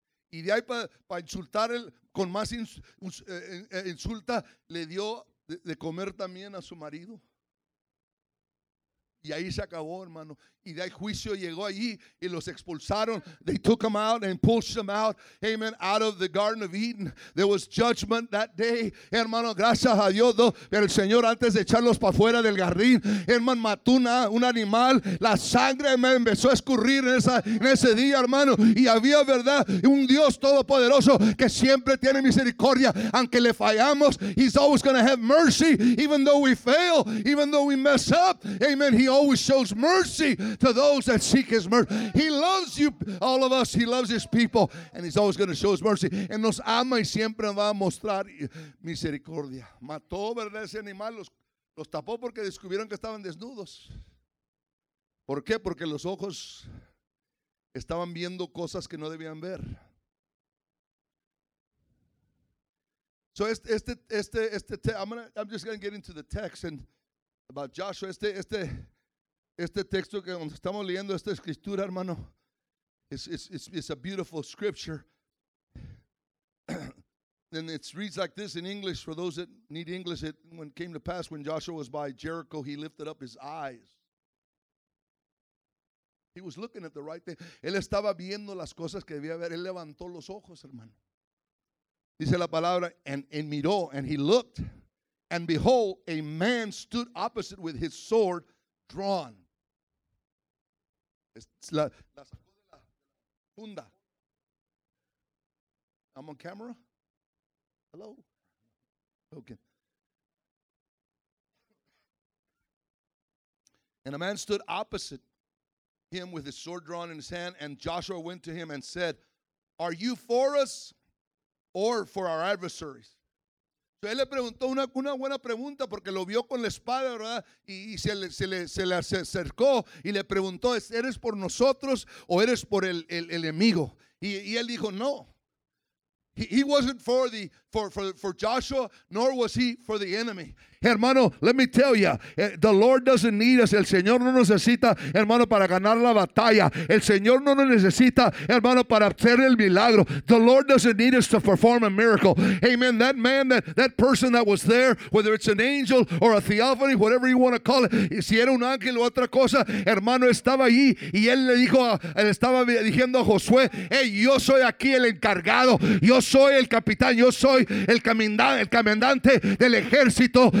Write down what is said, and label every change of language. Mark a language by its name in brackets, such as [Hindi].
[Spanish] Y de ahí para insultar él, con más insulta, le dio de comer también a su marido. Y ahí se acabó, hermano. Y de ahí juicio llegó allí y los expulsaron. [English] They took them out and pushed them out, amen, out of the Garden of Eden. There was judgment that day. [Spanish] Hermano, gracias a Dios, pero el Señor, antes de echarlos para afuera del jardín, hermano, mató un animal. La sangre me empezó a escurrir en ese día, hermano. Y había, verdad, un Dios todopoderoso que siempre tiene misericordia. Aunque le fallamos, [English] he's always going to have mercy. Even though we fail, even though we mess up, amen, he always shows mercy to those that seek his mercy. He loves you, all of us. He loves his people, and he's always going to show his mercy. [Spanish] And nos ama y siempre va a mostrar misericordia. Mató, ¿verdad?, ese animal. Los tapó porque descubrieron que estaban desnudos. ¿Por qué? Porque los ojos estaban viendo cosas que no debían ver. [English] So I'm just going to get into the text and about Joshua. [Spanish] Este texto que estamos leyendo, esta escritura, hermano, [English] it's a beautiful scripture. And it reads like this in English. For those that need English, it came to pass when Joshua was by Jericho, he lifted up his eyes. He was looking at the right thing. [Spanish] Él estaba viendo las cosas que debía ver. Él levantó los ojos, hermano. Dice la palabra, [English] and [Spanish] miró, [English] and he looked, and behold, a man stood opposite with his sword drawn. [Spanish] La sacó de la funda. [English] I'm on camera. Hello. Okay. And a man stood opposite him with his sword drawn in his hand. And Joshua went to him and said, are you for us or for our adversaries? [Spanish] So él le preguntó una buena pregunta porque lo vio con la espada, ¿verdad? Y se le acercó y le preguntó, ¿eres por nosotros o eres por el enemigo? Y él dijo, no. [English] He wasn't for the for Joshua, nor was he for the enemy. [Spanish] Hermano, [English] let me tell you, the Lord doesn't need us. [Spanish] El Señor no necesita, hermano, para ganar la batalla. El Señor no necesita, hermano, para hacer el milagro. [English] The Lord doesn't need us to perform a miracle. [Spanish] Amen. [English] That man, that person that was there, whether it's an angel or a theophany, whatever you want to call it, [Spanish] si era un ángel o otra cosa, hermano, estaba allí y él le dijo, él estaba diciendo a Josué, hey, yo soy aquí el encargado, yo soy el capitán, yo soy el comandante del ejército.